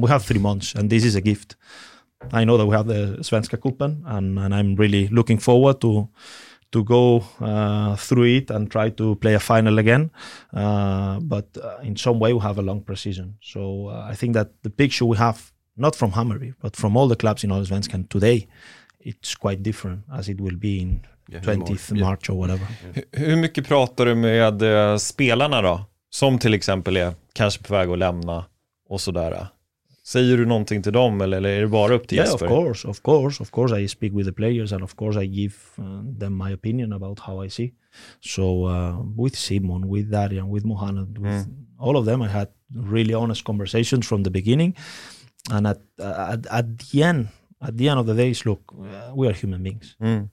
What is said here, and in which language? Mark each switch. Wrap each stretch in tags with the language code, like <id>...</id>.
<en>We have 3 months and this is a gift. I know that we have the Svenska Cupen and I'm really looking forward to go through it and try to play a final again. But in some way, we have a long pre-season. So I think that the picture we have, not from Hammarby, but from all the clubs in Allsvenskan today, it's quite different as it will be in 20th March or whatever.</en> <sv>Hur mycket pratar du med spelarna då? Som till exempel är kanske på väg att lämna och sådär. Säger du någonting till dem eller är det bara upp till Jesper?</sv> <en>Yeah, of course. I speak with the players and of course I give them my opinion about how I see. So with Simon, with Darian, with Mohanad, with all of them, I had really honest conversations from the beginning. And at the end of the day, look, we are human beings. Mm.</en>